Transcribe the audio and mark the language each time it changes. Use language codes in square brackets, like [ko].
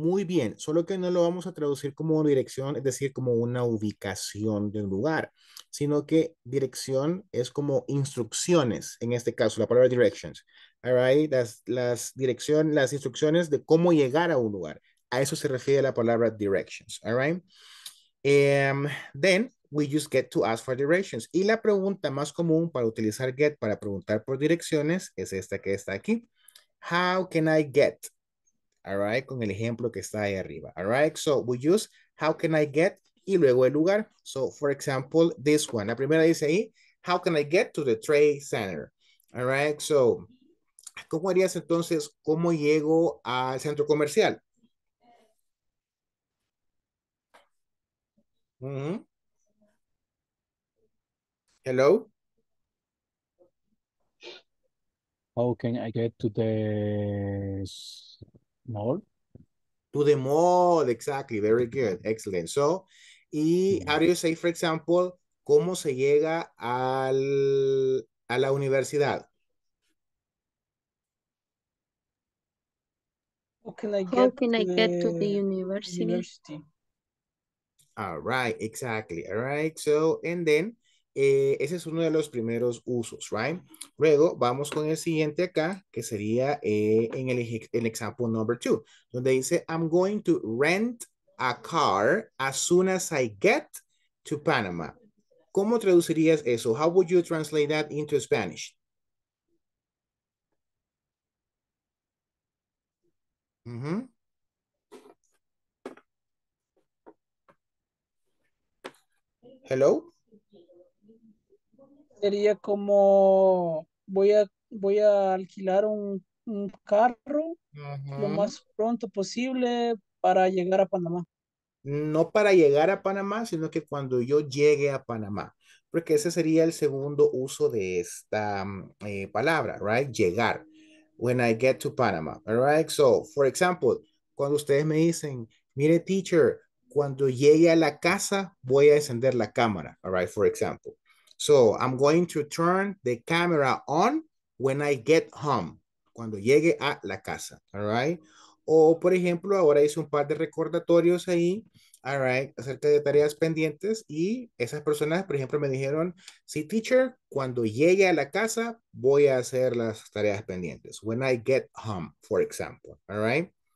[es] Muy bien, solo que no lo vamos a traducir como dirección, es decir, como una ubicación del lugar, sino que dirección es como instrucciones, en este caso, la palabra directions. [en] All right, [es] las instrucciones de cómo llegar a un lugar. A eso se refiere la palabra directions. [en] All right. Then we just get to ask for directions. [es] Y la pregunta más común para utilizar get para preguntar por direcciones es esta que está aquí. [en] How can I get? All right, [es] con el ejemplo que está ahí arriba. [en] All right, so we use how can I get [es] y luego el lugar. [en] So, for example, this one. [es] La primera dice ahí, [en] how can I get to the trade center? All right, so, [es] ¿cómo harías entonces, cómo llego al centro comercial? Mm-hmm. [en] Hello? How can I get to the mall? To the mall, exactly. Very good. Excellent. So, y how do you say, for example, [es] ¿cómo se llega a la universidad? [en] How can I get to the university? All right, exactly. All right. So, and then [es] Ese es uno de los primeros usos, [en] right? [es] Luego vamos con el siguiente acá, que sería en el example number two, donde dice, [en] I'm going to rent a car as soon as I get to Panama. [es] ¿Cómo traducirías eso? [en] How would you translate that into Spanish? Mm-hmm. Hello? [es] Sería como voy a alquilar un carro lo más pronto posible para llegar a Panamá. No para llegar a Panamá, sino que cuando yo llegue a Panamá. Porque ese sería el segundo uso de esta palabra, [en] right? [es] Llegar. [en] When I get to Panama, all right? So, for example, [es] cuando ustedes me dicen, mire, teacher, cuando llegue a la casa, voy a encender la cámara, all right? [en] For example. So, I'm going to turn the camera on when I get home. [es] Cuando llegue a la casa, all right? O, por ejemplo, ahora hice un par de recordatorios ahí, all right, acerca de tareas pendientes. Y esas personas, por ejemplo, me dijeron, sí, teacher, cuando llegue a la casa, voy a hacer las tareas pendientes. [en] When I get home, for example, all right?